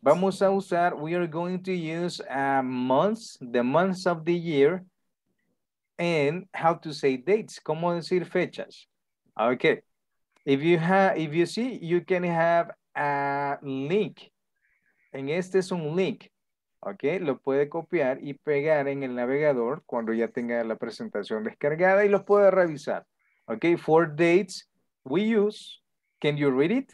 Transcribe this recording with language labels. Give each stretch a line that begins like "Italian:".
Spanish: Vamos a usar,
English: we are going to use months, the months of the year, and how to say dates.
Spanish: ¿Cómo decir fechas?
English: Okay. If you have, if you see, you can have a link.
Spanish: En este es un link. Ok, lo puede copiar y pegar en el navegador cuando ya tenga la presentación descargada y lo puede revisar.
English: Ok, for dates we use, can you read it?